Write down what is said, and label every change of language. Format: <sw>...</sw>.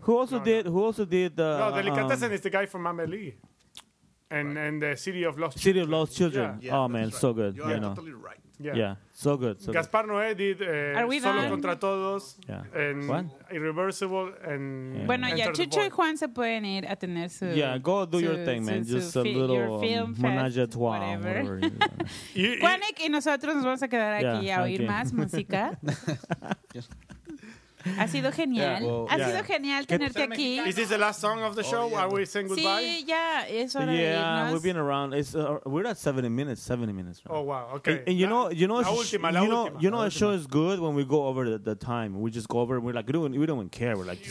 <en>Who also did... No, Delicatessen is the guy from Amelie. And the City of Lost Children. City of Lost Children. Yeah. Oh, man, right. So good. You are totally right. Yeah, so good. So Gaspar Noé did Solo Contra Todos and Irreversible and</en> <es>Bueno, ya Chucho y Juan se pueden ir a tener su</es> <en>go do your thing, man. Just a little menage a trois, whatever.</en> <es>Juanic y nosotros nos vamos a quedar aquí a oír más música. Ha sido genial. Ha sido genial tenerte aquí.</es> <en>Is this the last song of the show? Yeah. Are we saying goodbye?</en> <es>Sí, es hora de irnos.</es> <en>We've been around. It's we're at 70 minutes. 70 minutes. Right? Oh wow. Okay. And you know, show is good when we go over the time. We just go over. And we're like, we don't even care. We're like,</en>